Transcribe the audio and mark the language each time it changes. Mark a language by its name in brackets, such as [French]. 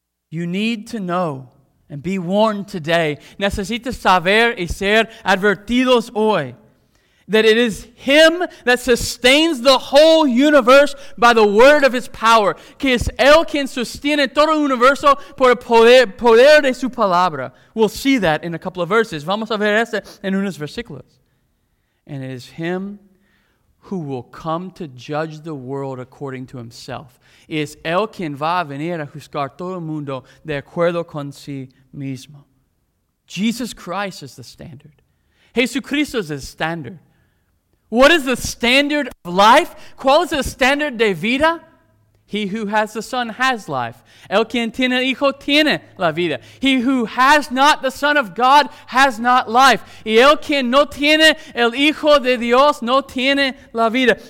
[English] You need to know and be warned today. [Spanish] Necesitas saber y ser advertidos hoy. [English] That it is him that sustains the whole universe by the word of his power. [Spanish] Que es él quien sostiene todo el universo por el poder de su palabra. [English] We'll see that in a couple of verses. [Spanish] Vamos a ver eso en unos versículos. [English] And it is him who will come to judge the world according to himself. [Spanish] Es él quien va a venir a juzgar todo el mundo de acuerdo con sí mismo. [English] Jesus Christ is the standard. Jesucristo is the standard. What is the standard of life? [Spanish] ¿Cuál es el standard de vida? [English] He who has the Son has life. [Spanish] El quien tiene el Hijo tiene la vida. [English] He who has not the Son of God has not life. [Spanish] Y el quien no tiene el Hijo de Dios no tiene la vida.